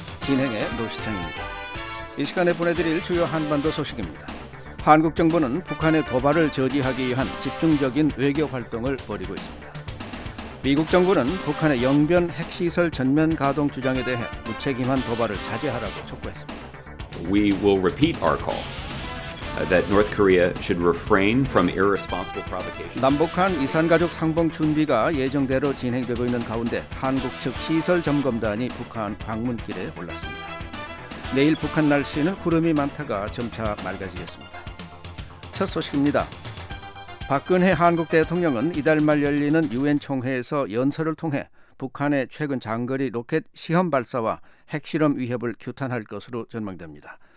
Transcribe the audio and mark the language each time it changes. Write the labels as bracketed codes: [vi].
[ko] 진행의 노시창입니다. 이 시간에 보내드릴 주요 한반도 소식입니다. 한국 정부는 북한의 도발을 저지하기 위한 집중적인 외교 활동을 벌이고 있습니다. 미국 정부는 북한의 영변 핵시설 전면 가동 주장에 대해 무책임한 도발을 자제하라고 촉구했습니다. [en] We will repeat our call. That North Korea should refrain from irresponsible provocation. [ko] 남북한 이산가족 상봉 준비가 예정대로 진행되고 있는 가운데 한국 측 시설 점검단이 북한 방문길에 올랐습니다. 내일 북한 날씨는 구름이 많다가 점차 맑아지겠습니다. 첫 소식입니다. 박근혜 한국 대통령은 이달 말 열리는 유엔 총회에서 연설을 통해 북한의 최근 장거리 로켓 시험 발사와 핵실험 위협을 규탄할 것으로 전망됩니다.